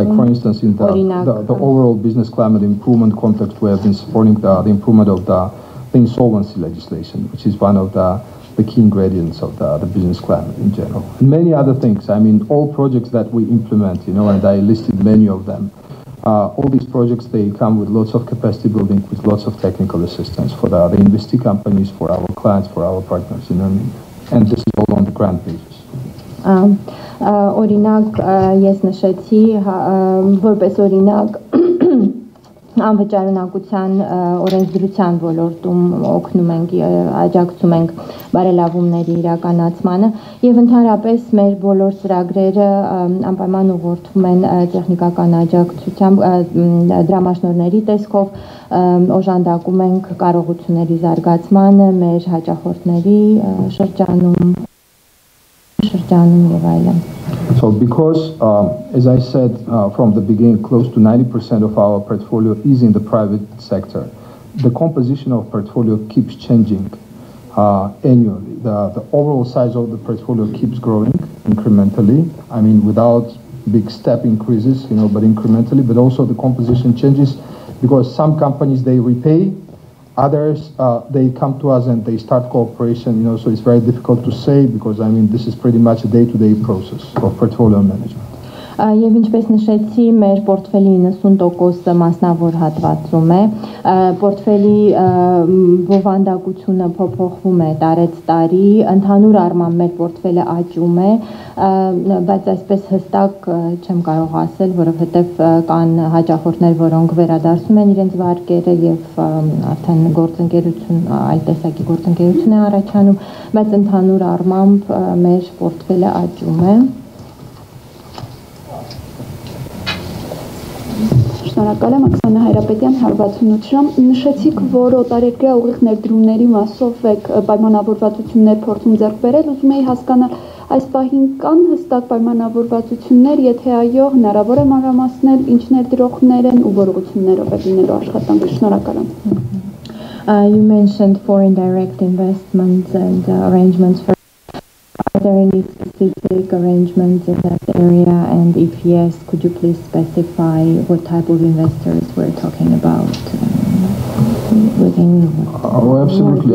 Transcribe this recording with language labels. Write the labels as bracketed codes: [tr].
[en] Like for instance in the overall business climate improvement context, we have been supporting the improvement of the insolvency legislation, which is one of the key ingredients of the business climate in general. And many other things. I mean, all projects that we implement, you know, and I listed many of them, All these projects, they come with lots of capacity building, with lots of technical assistance for the investee companies, for our clients, for our partners, you know what I mean? And this is all on the grant basis. [hy] Օրինակ ես նշեցի որպես օրինակ անվճարունակության օրենսդրության ոլորտում օգնում ենք, աջակցում ենք բարելավումների իրականացմանը եւ ընդհանրապես մեր բոլոր ծրագրերը անպայման ուղղվում են տեխնիկական աջակցությամբ դրամաշնորների տեսքով օժանդակում ենք կարողությունների զարգացմանը մեր հաճախորդների շրջանում [en] So because, as I said from the beginning, close to 90% of our portfolio is in the private sector. The composition of portfolio keeps changing annually. The overall size of the portfolio keeps growing incrementally. I mean, without big step increases, you know, but incrementally. But also the composition changes because some companies, they repay. Others, they come to us and they start cooperation, you know, so it's very difficult to say because, I mean, this is pretty much a day-to-day process of portfolio management. [hy] Եվ ինչպես նշեցի, մեր պորտֆելի 90%-ը մասնավոր հատվածում է։ Պորտֆելի բովանդակությունը փոփոխվում է տարեց տարի, ընդհանուր առմամբ մեր պորտֆելը աճում է, բայց այսպես հստակ չեմ կարող ասել, որովհետև կան հաճախորդներ, որոնք վերադարձում են իրենց վարկերը եւ արդեն գործընկերություն այլ տեսակի գործընկերություն է առաջանում, բայց ընդհանուր առմամբ մեր պորտֆելը աճում է։ Շնորհակալեմ Աքսանա Հայրապետյան 68-րդ նշեցիք, որ օտարերկրյա ուղիղ ներդրումների մասով եք պայմանավորվածություններ փորձում ձեռք բերել, ուզում էի հասկանալ այս պահին կան հստակ պայմանավորվածություններ, եթե այո, հնարավոր է մանրամասնել ինչ ներդրողներ են ու որ ուղղություններով են լինելու աշխատանքը։ Շնորհակալ եմ։ [en] You mentioned foreign direct investments and arrangements for Are there any specific arrangements in that area? And if yes, could you please specify what type of investors we're talking about? Oh, absolutely.